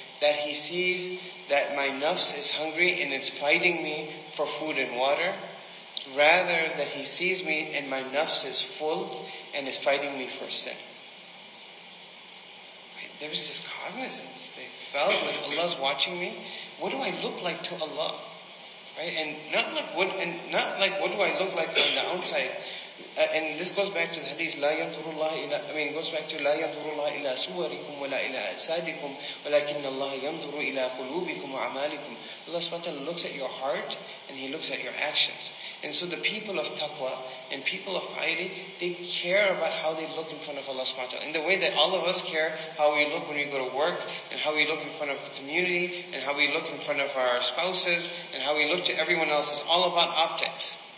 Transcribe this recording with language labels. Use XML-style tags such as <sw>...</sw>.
<en>that he sees that my nafs is hungry and it's fighting me for food and water, rather that he sees me and my nafs is full and is fighting me for sin. There was this cognizance. They felt that Allah's watching me. What do I look like to Allah? Right? And not like what do I look like on the outside? And this goes back to</en> <ar>the hadith, it goes back to لا يَنْظُرُ اللَّهِ إِلَىٰ سُوَرِكُمْ وَلَا إِلَىٰ أَجْسَادِكُمْ وَلَكِنَّ اللَّهَ يَنْظُرُ إِلَىٰ قُلُوبِكُمْ وَعَمَالِكُمْ.</ar> <en>Allah subhanahu wa ta'ala looks at your heart and He looks at your actions. And so the people of taqwa and people of piety, they care about how they look in front of Allah subhanahu wa ta'ala. In the way that all of us care how we look when we go to work and how we look in front of the community and how we look in front of our spouses and how we look to everyone else, is all about optics.</en>